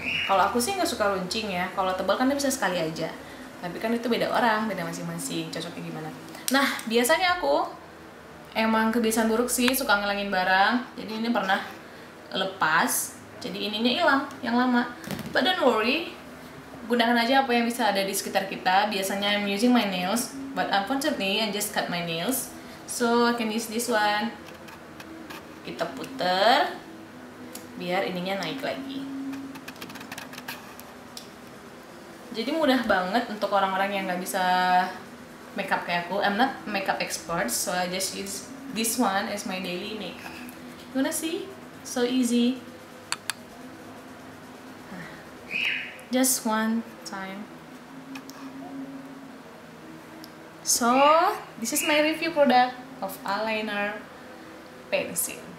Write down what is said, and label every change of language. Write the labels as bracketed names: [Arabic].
[Indonesian] Kalau aku sih nggak suka runcing ya. Kalau tebal kan dia bisa sekali aja. Tapi kan itu beda orang, beda masing-masing. Cocoknya gimana? Nah, biasanya aku emang kebiasaan buruk sih, suka ngilangin barang. Jadi ini pernah lepas. Jadi ininya hilang, yang lama. [English] But don't worry, [Indonesian] gunakan aja apa yang bisa ada di sekitar kita. Biasanya [English] I'm using my nails, but unfortunately I just cut my nails. So I can use this one. [Indonesian] Kita puter, biar ininya naik lagi. Jadi mudah banget untuk orang-orang yang gak bisa makeup kayak aku. [English] I'm not makeup expert, so I just use this one as my daily makeup. You wanna see? So easy. Just one time. So, this is my review product of eyeliner pencil.